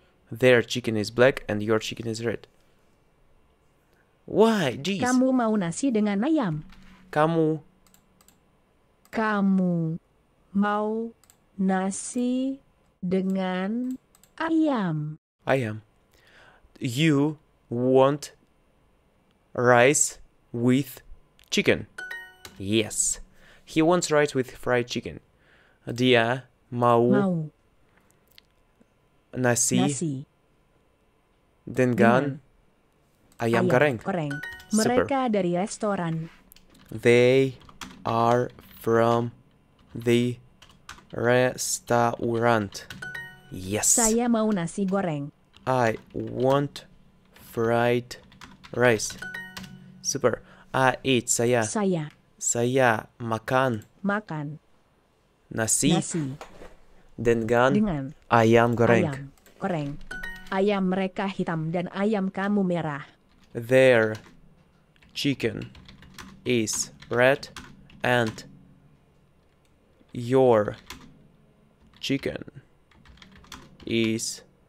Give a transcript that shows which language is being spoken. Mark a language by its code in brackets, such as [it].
[en] Their chicken is black and your chicken is red. Why? Jeez. [id] Kamu mau nasi dengan ayam. Kamu mau nasi dengan ayam. Ayam. [en] You want rice with chicken. Yes. He wants rice with fried chicken. [id] Dia mau. Nasi. Dengan ayam goreng. Goreng. Mereka dari restoran. [en] They are from the restaurant. Yes. [id] Saya mau nasi goreng. [en] I want fried rice. Super. [id] Saya makan nasi. Dengan ayam goreng. Ayam mereka hitam dan ayam kamu merah. [en] Their chicken is red and your chicken is